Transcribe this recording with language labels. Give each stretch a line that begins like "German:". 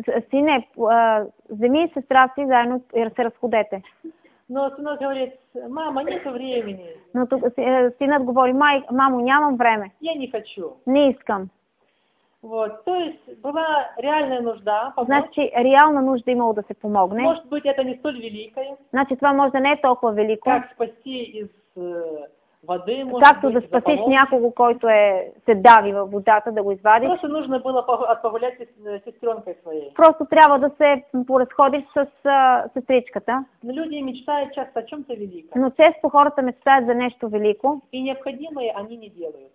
Bulgarian: Сине, вземи сестра си заедно и се разходете.
Russian: Но сынок говорит, мама, нет времени.
Bulgarian: Но тук синът говори, мамо, нямам време.
Russian: Я не хочу.
Bulgarian: Не искам.
Russian: Вот, то есть была реальная нужда.
Bulgarian: Значи, реална нужда имало да се помогне.
Russian: Может быть, это не столь великое.
Bulgarian: Значи, това може не е толкова велико.
Russian: Как спасти из воды, може
Bulgarian: быть, както да спасиш някого, който се дави във водата, да го извадиш.
Russian: Просто нужно было погулять с сестренкой своей.
Bulgarian: Просто трябва да се поразходиш с сестричката.
Russian: Но люди мечтают часто о чем-то великом.
Bulgarian: Но често хората мечтают за нещо велико.
Russian: И необходимое они не делают.